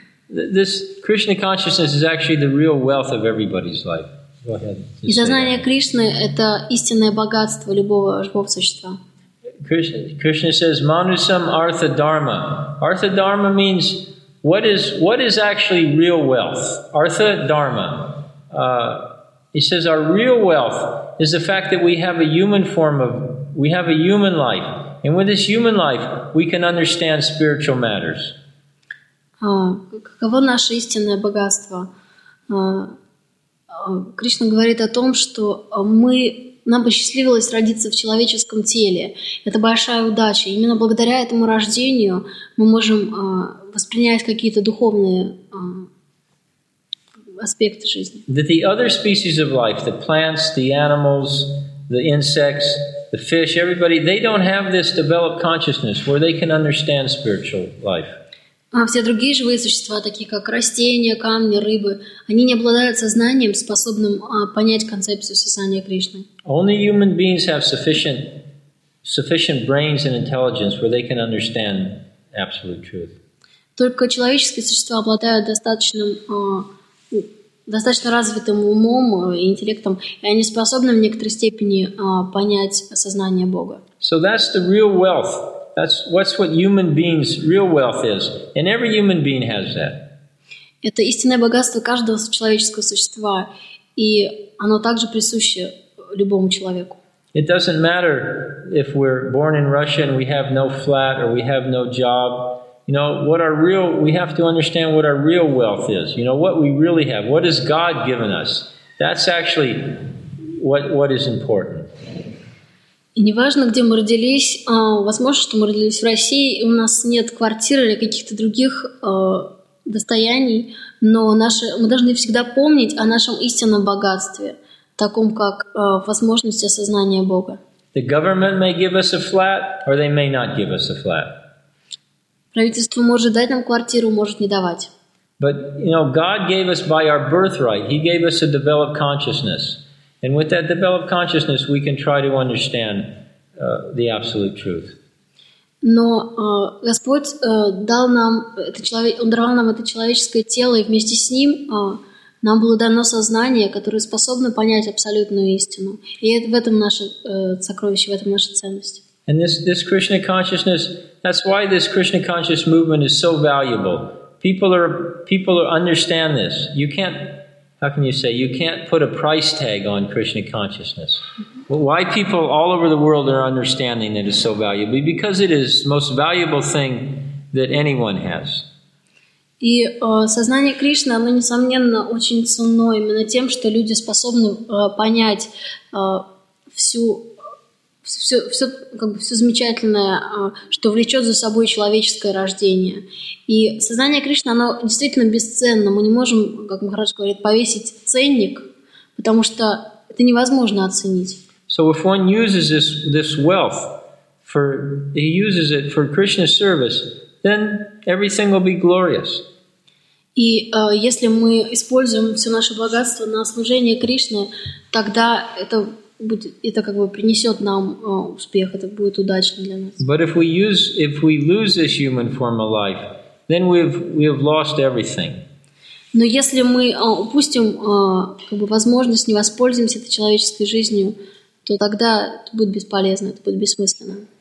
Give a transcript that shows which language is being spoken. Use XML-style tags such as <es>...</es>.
<en>This Krishna consciousness is actually the real wealth of everybody's life. Go ahead.</en> <ru>И сознание Кришны — это истинное богатство любого живого существа.</ru> <en>Krishna says,</en> <sa>"Manusam artha dharma."</sa> <en>Artha dharma means what is actually real wealth. Artha dharma. He says our real wealth is the fact that we have a human life, and with this human life, we can understand spiritual matters.</en> <ru>Каково наше истинное богатство? Кришна говорит о том, что нам посчастливилось родиться в человеческом теле. Это большая удача. Именно благодаря этому рождению мы можем воспринять какие-то духовные аспекты жизни.</ru> <en>That the other species of life, the plants, the animals, the insects, the fish, everybody, they don't have this developed consciousness where they can understand spiritual life.</en> <ru>А все другие живые существа, такие как растения, камни, рыбы, они не обладают сознанием, способным понять концепцию сознания Кришны.</ru> <en>Only human beings have sufficient brains and intelligence where they can understand absolute truth.</en> <ru>Только человеческие существа обладают достаточно развитым умом и интеллектом, и они способны в некоторой степени понять сознание Бога.</ru> <en>So that's the real wealth. That's what human beings' real wealth is, and every human being has that.</en> <ru>Это истинное богатство каждого человеческого существа, и оно также присуще любому человеку.</ru> <en>It doesn't matter if we're born in Russia and we have no flat or we have no job. You know what our real? We have to understand what our real wealth is. You know what we really have. What has God given us? That's actually what is important.</en> <ru>И неважно, где мы родились, возможно, что мы родились в России, и у нас нет квартиры или каких-то других достояний, но мы должны всегда помнить о нашем истинном богатстве, таком как возможность осознания Бога.</ru> <en>The government may give us a flat, or they may not give us a flat.</en> <ru>Правительство может дать нам квартиру, может не давать.</ru> <en>But, you know, God gave us by our birthright, He gave us a developed consciousness. And with that developed consciousness, we can try to understand the absolute truth.</en> <ru>Но Господь дал нам это Он даровал нам это человеческое тело, и вместе с ним нам было дано сознание, которое способно понять абсолютную истину. И это в этом наше сокровище, в этом наша ценность.</ru> <en>And this Krishna consciousness, that's why this Krishna conscious movement is so valuable. People understand this. You can't put a price tag on Krishna consciousness. Well, why people all over the world are understanding that it's so valuable? Because it is the most valuable thing that anyone has.</en> <ru>И сознание Кришны, оно, несомненно, очень ценно именно тем, что люди способны понять все замечательное, что влечет за собой человеческое рождение. И сознание Кришны, оно действительно бесценно. Мы не можем, как Махарадж говорит, повесить ценник, потому что это невозможно оценить.</ru> <en>So if one uses this wealth, he uses it for Krishna's service, then everything will be glorious.</en> <ru>И если мы используем все наше богатство на служение Кришне, тогда это как бы принесет нам успех, это будет удачно для нас.</ru> <en>But if we lose this human form of life, then we have lost everything.</en> <ru>Но если мы упустим как бы возможность, не воспользуемся этой человеческой жизнью, то тогда это будет бесполезно, это будет бессмысленно.</ru>